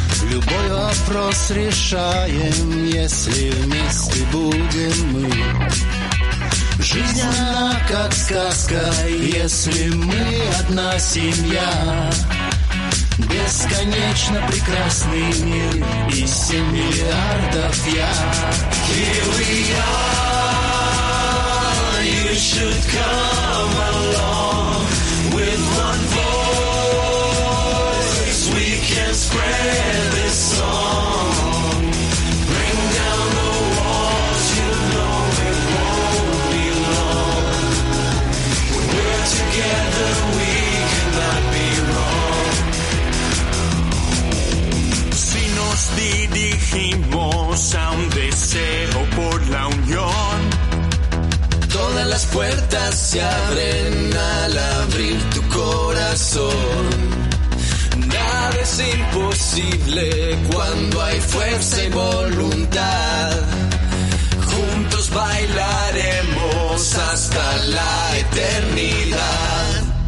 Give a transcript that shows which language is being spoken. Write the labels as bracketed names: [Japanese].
[Russian] Любой вопрос решаем, если вместе будем мы. Жизнь она как сказка, если мы одна семья. Бесконечно прекрасный мир и семь миллиардов я. [English] Here we are, you should come along. With one voice we can spread this song. Bring down the walls, you know it won't be long. When we're together we cannot be wrong. [Spanish] Si nos dirigimos a un deseo la unión todas las puertas se abren al abrir tu corazón nada es imposible cuando hay fuerza y voluntad juntos bailaremos hasta la eternidad.